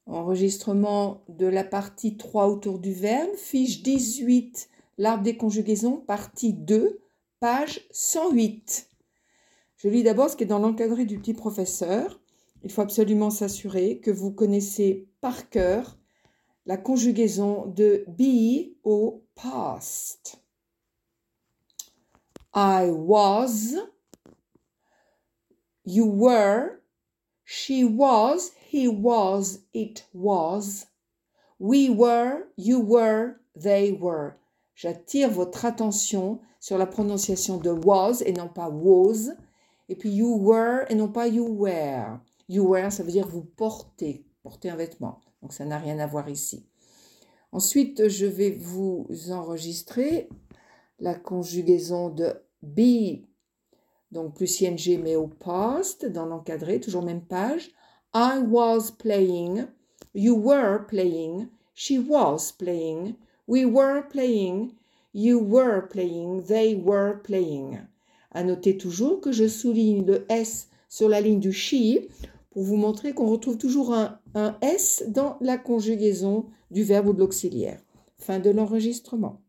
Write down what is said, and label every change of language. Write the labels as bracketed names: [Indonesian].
[French] Enregistrement de la partie 3 autour du verbe, fiche 18, l'arbre des conjugaisons, partie 2, page 108. Je lis d'abord ce qui est dans l'encadré du petit professeur. Il faut absolument s'assurer que vous connaissez par cœur la conjugaison de be au past. [English] I was, you were, she was, he was, it was, we were, you were, they were. [French] J'attire votre attention sur la prononciation de was et non pas was, et puis you were et non pas you were. You were, ça veut dire vous portez, porter un vêtement. Donc ça n'a rien à voir ici. Ensuite, je vais vous enregistrer la conjugaison de be. Donc, plus ING, mais au past, dans l'encadré, toujours même page. [English] I was playing, you were playing, she was playing, we were playing, you were playing, they were playing. [French] À noter toujours que je souligne le S sur la ligne du she pour vous montrer qu'on retrouve toujours un S dans la conjugaison du verbe ou de l'auxiliaire. Fin de l'enregistrement.